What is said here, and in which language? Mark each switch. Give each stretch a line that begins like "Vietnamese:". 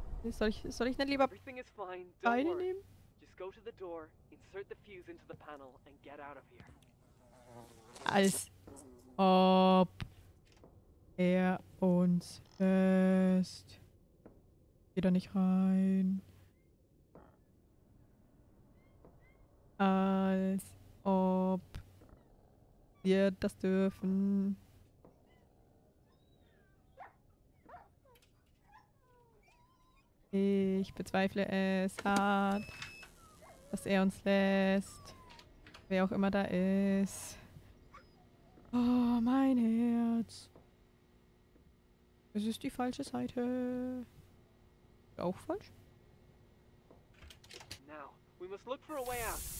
German: Soll ich nicht lieber beide nehmen?
English: Just go to the door, insert the fuse into the panel and get out of here.
German: Als ob er uns fest. Geh da nicht rein. Als ob wir das dürfen. Ich bezweifle es hart, dass er uns lässt. Wer auch immer da ist. Oh, mein Herz. Es ist die falsche Seite. Auch falsch?
English: Now, we must look for a way out.